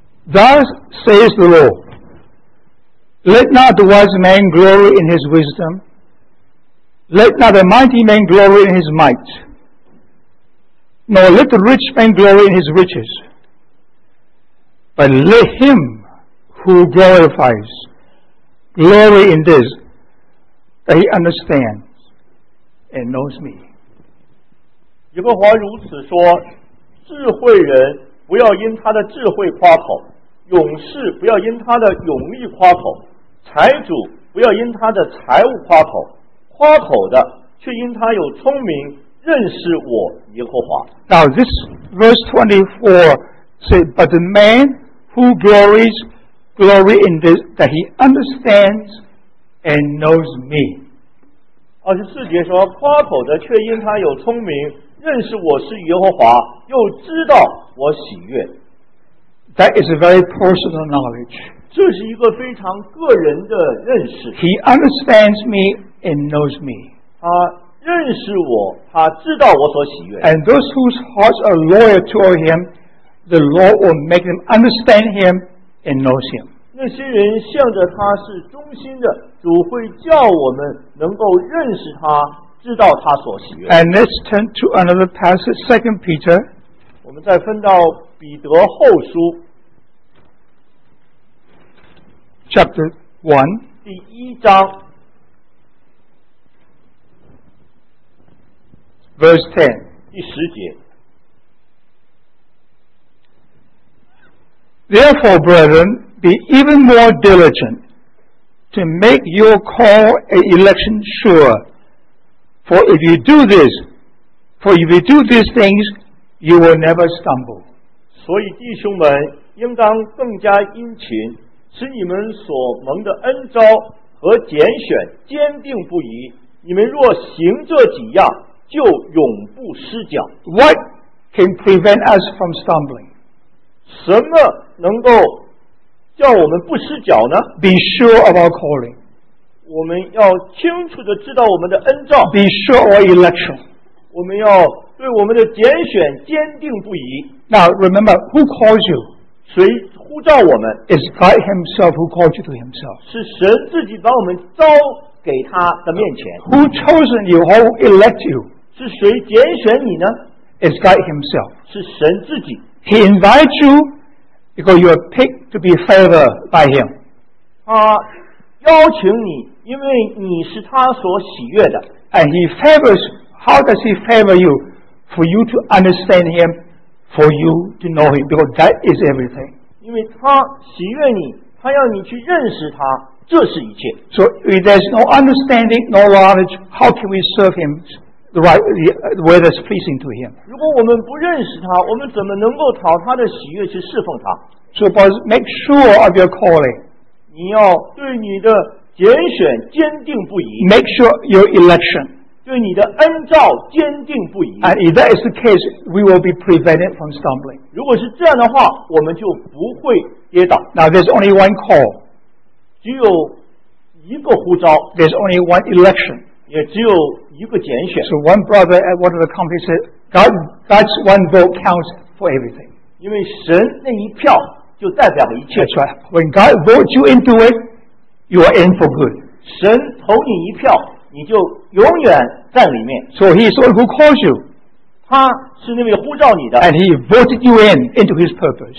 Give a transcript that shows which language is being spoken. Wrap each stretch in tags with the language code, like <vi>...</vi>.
<en>Thus says the Lord, Let not the wise man glory in his wisdom, let not the mighty man glory in his might, nor let the rich man glory in his riches, but let him who glorifies glory in this, that he understands and knows me.</en> <zh>耶和华如此说，智慧人不要因他的智慧夸口。勇士不要因他的勇力夸口，财主不要因他的财物夸口，夸口的却因他有聪明，认识我耶和华。</zh> <en>Now this verse 24 says, But the man who glories, glory in this, that he understands and knows me.</en> <zh>24节说，夸口的却因他有聪明，认识我是耶和华，又知道我喜悦。</zh> <en>That is a very personal knowledge.</en> <zh>这是一个非常个人的认识。</zh> <en>He understands me and knows me.</en> <zh>他认识我，他知道我所喜悦。</zh> <en>And those whose hearts are loyal toward him, the Lord will make them understand him and knows him.</en> <zh>那些人向着他是忠心的，主会叫我们能够认识他，知道他所喜悦。</zh> <en>And let's turn to another passage, Second Peter.</en> <zh>我们再分到彼得后书。</zh> <en>Chapter 1,</en> <zh>第一章</zh> <en>verse 10,</en> <zh>第十节。</zh> <en>Therefore, brethren, be even more diligent to make your call and election sure. For if you do these things, you will never stumble.</en> <zh>所以弟兄们应当更加殷勤。使你们所蒙的恩召和拣选坚定不移，你们若行这几样，就永不失脚。</zh> <en>What can prevent us from stumbling?</en> <zh>什么能够叫我们不失脚呢？</zh> <en>Be sure of our calling.</en> <zh>我们要清楚地知道我们的恩召。</zh> <en>Be sure of our election.</en> <zh>我们要对我们的拣选坚定不移。</zh> <en>Now remember, who calls you?</en> <zh>谁呼召我们？</zh> <en>It's God Himself who called you to Himself.</en> <zh>是神自己把我们招给他的面前。</zh> <en>Who chosen you? Who elect you?</en> <zh>是谁拣选你呢？</zh> <en>It's God Himself.</en> <zh>是神自己。</zh> <en>He invites you because you are picked to be favored by Him.</en> <zh>他邀请你，因为你是他所喜悦的。</zh> <en>And He favors. How does He favor you? For you to understand Him, for you to know Him, because that is everything.</en> <zh>因为他喜悦你，他要你去认识他，这是一切。</zh> <en>So if there's no understanding, no knowledge, how can we serve him the right way that's pleasing to him?</en> <zh>如果我们不认识他，我们怎么能够讨他的喜悦去侍奉他？</zh> <en>So but make sure of your calling.</en> <zh>你要对你的拣选坚定不移。</zh> <en>Make sure your election.</en> <zh>对你的恩召坚定不移。</zh> <en>And if that is the case, we will be prevented from stumbling.</en> <zh>如果是这样的话，我们就不会跌倒。</zh> <en>Now there's only one call.</en> <zh>只有一个呼召。</zh> <en>There's only one election.</en> <zh>也只有一个拣选。</zh> <en>So one brother at one of the companies said, God's one vote counts for everything.</en> <zh>因为神那一票就代表了一切。</zh> <en>That's right. When God votes you into it, you are in for good.</en> <zh>神投你一票，你就永远在里面。</zh> <en>So he is the one who calls you.</en> <zh>他是那位呼召你的。</zh> <en>And he voted you in into his purpose.</en>